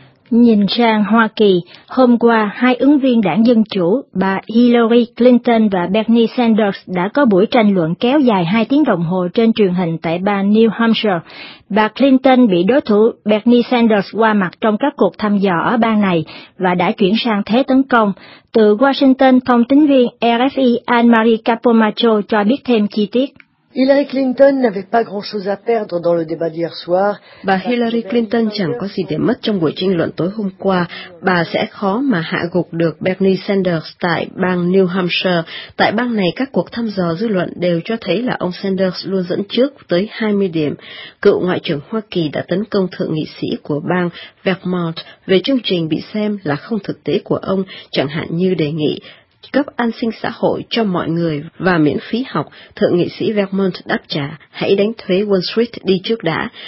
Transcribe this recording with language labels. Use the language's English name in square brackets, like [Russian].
[Vietnamese] Nhìn sang Hoa Kỳ, hôm qua, hai ứng viên đảng Dân Chủ, bà Hillary Clinton và Bernie Sanders đã có buổi tranh luận kéo dài 2 tiếng đồng hồ trên truyền hình tại bang New Hampshire. Bà Clinton bị đối thủ Bernie Sanders qua mặt trong các cuộc thăm dò ở bang này và đã chuyển sang thế tấn công. Từ Washington, thông tín viên RFI Anne-Marie Capomacho cho biết thêm chi tiết. [French] Hillary Clinton n'avait pas grand-chose à perdre dans le débat d'hier soir. [Vietnamese] Bà Hillary Clinton chẳng có gì để mất trong buổi tranh luận tối hôm qua. Bà sẽ khó mà hạ gục được Bernie Sanders tại bang New Hampshire. Tại bang này, các cuộc thăm dò dư luận đều cho thấy là ông Sanders luôn dẫn trước tới 20 điểm. Cựu Ngoại trưởng Hoa Kỳ đã tấn công thượng nghị sĩ của bang Vermont về chương trình bị xem là không thực tế của ông, chẳng hạn như đề nghị cấp an sinh xã hội cho mọi người và miễn phí học, thượng nghị sĩ Vermont đáp trả, hãy đánh thuế Wall Street đi trước đã.